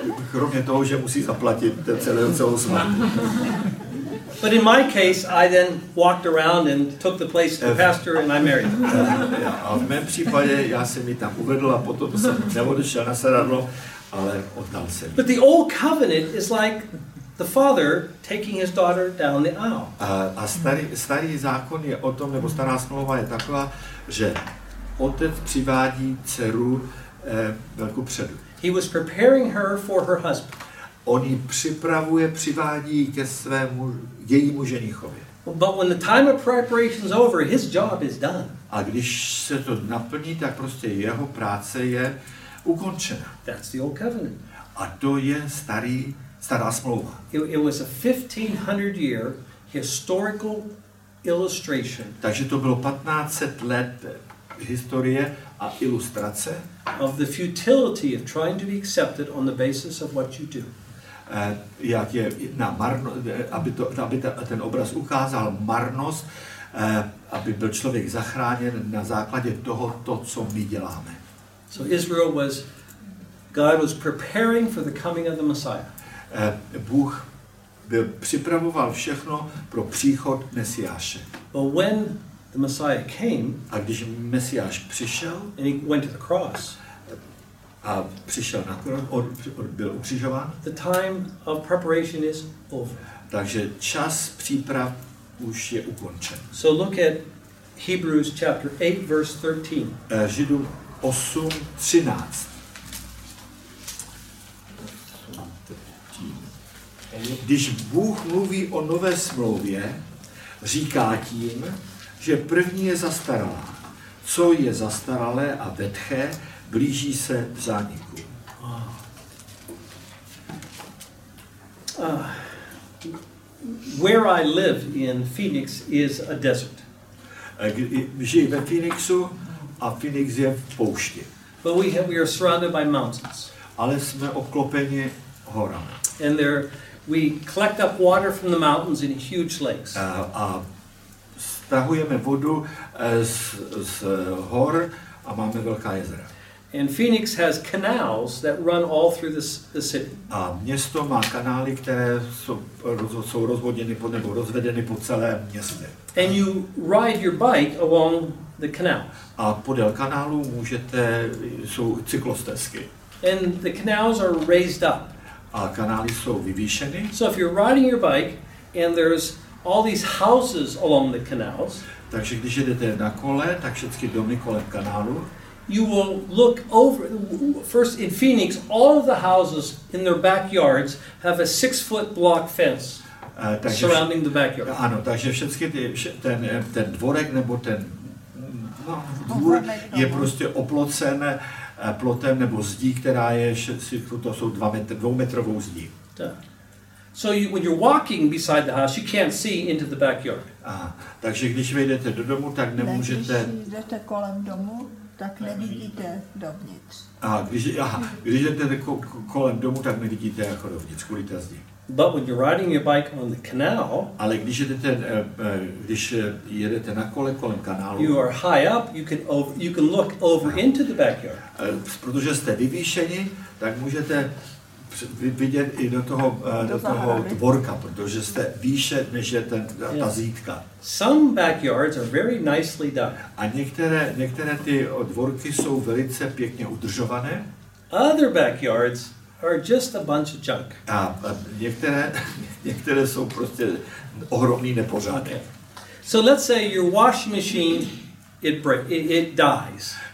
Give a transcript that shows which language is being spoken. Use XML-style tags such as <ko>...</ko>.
<cs>Kromě toho, že musí zaplatit celou svatbu.</cs> <en>But in my case, I then walked around and took the place of the pastor and I married him.</en> <cs>A v mém případě, já jsem ji tam uvedl a potom jsem neodešel na sedadlo, ale oddal jsem.</cs> <en>But the old covenant is like the father taking his daughter down the aisle.</en> <cs>A starý zákon je o tom, nebo stará smlouva je taková, že otec přivádí dceru velkou předu.</cs> <en>He was preparing her for her husband.</en> <cs>On ji připravuje, přivádí ke svému jejímu ženichovi.</cs> <en>But when the time of preparation is over, his job is done.</en> <cs>A když se to naplní, tak prostě jeho práce je ukončena.</cs> <en>That's the old covenant.</en> <cs>A to je stará smlouva.</cs> <en>It was a 1500 year historical illustration.</en> <cs>Takže to bylo 1500 let historie a ilustrace</cs> <en>of the futility of trying to be accepted on the basis of what you do.</en> <cs>Jak je na marnost, aby ten obraz ukázal marnost, aby byl člověk zachráněn na základě toho, co my děláme.</cs> <en>So Israel was, God was preparing for the coming of the Messiah.</en> <cs>Bůh byl připravoval všechno pro příchod Mesiáše.</cs> <en>But when the Messiah came,</en> <cs>a když Mesiáš přišel,</cs> <en>and he went to the cross,</en> <cs>a přišel na kruh, on byl ukřižován.</cs> <en>The time of preparation is over.</en> <cs>Takže čas příprav už je ukončen.</cs> <en>So look at Hebrews chapter 8 verse 13.</en> <cs>Židům 8, 13. Když Bůh mluví o nové smlouvě, říká tím, že první je zastaralá. Co je zastaralé a vetché, blíží se v zániku.</cs> <en>Where I live in Phoenix is a desert.</en> <cs>Žiju ve Phoenixu a Phoenix je v poušti.</cs> <en>But we are surrounded by mountains.</en> <cs>Ale jsme obklopeni horami.</cs> <en>And there we collect up water from the mountains in huge lakes.</en> <cs>A stahujeme vodu z hor a máme velká jezera.</cs> <en>And Phoenix has canals that run all through the city.</en> <cs>A město má kanály, které jsou rozvodněny po nebo rozvedeny po celém městě.</cs> <en>And you ride your bike along the canal.</en> <cs>A podél kanálu můžete jsou cyklostezky.</cs> <en>And the canals are raised up.</en> <cs>A kanály jsou vyvýšeny.</cs> <en>So if you're riding your bike and there's all these houses along the canals.</en> <cs>Takže když jedete na kole, tak všechny domy kolem kanálu.</cs> <en>You will look over first in Phoenix. All of the houses in their backyards have a 6-foot block fence surrounding the backyard.</en> <cs>Ano, takže všechny ten dvorek nebo ten dvůr je prostě oplocen plotem nebo zdí, která je 6-foot, to jsou 2-metrovou zdí.</cs> <en>So when you're walking beside the house, you can't see into the backyard.</en> <cs>Takže když vejdete do domu, tak nemůžete. Jdete kolem domu. Tak nevidíte dovnitř. Když jdete kolem domu, tak nevidíte jako dovnitř, kvůli té zdi.</cs> <en>But when you're riding your bike on the canal,</en> <cs>ale když jedete na kole kolem kanálu,</cs> <en>you are high up, you can look over into the backyard.</en> <cs>Protože jste vyvýšeni, tak můžete vidět i do toho dvorka, protože jste výše než je ta zítka.</cs> <en>Some backyards are very nicely done.</en> <cs>A některé ty dvorky jsou velice pěkně udržované.</cs> <en>Other backyards are just a bunch of junk.</en> <cs>A některé jsou prostě ohromný nepořádek.</cs> <en>Okay. So let's say your washing machine it dies.</en>